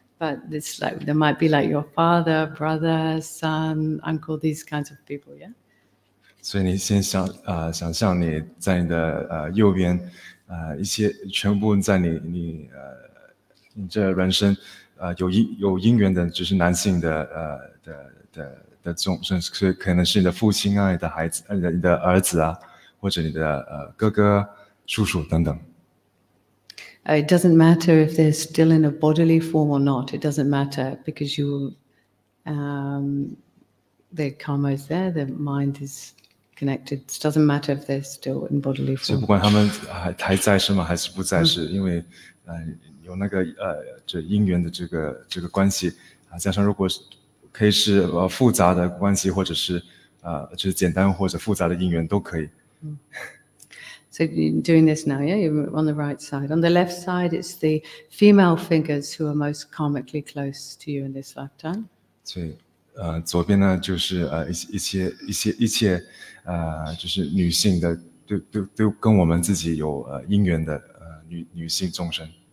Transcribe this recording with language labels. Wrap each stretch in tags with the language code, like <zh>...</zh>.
<en>But it's like there might be like your father, brother, son, uncle, these kinds of people, yeah. So you</en> <zh>先想想象你在你的右边，一些全部在你这人生，有姻缘的，就是男性的的众生，所以可能是你的父亲啊，你的孩子，你的儿子啊，或者你的哥哥、叔叔等等。</zh> <en>It doesn't matter if they're still in a bodily form or not. It doesn't matter because the karma is there, the mind is connected. It doesn't matter if they're still in bodily form.</en> <zh>就不管他们还在世吗，还是不在世，因为有那个这因缘的这个关系啊，加上如果可以是复杂的关系，或者是就是简单或者复杂的因缘都可以。</zh> <en>So doing this now, yeah, you're on the right side. On the left side, it's the female fingers who are most karmically close to you in this lifetime.</en> <zh>对，左边呢就是一切就是女性的，都跟我们自己有因缘的女性众生。</zh>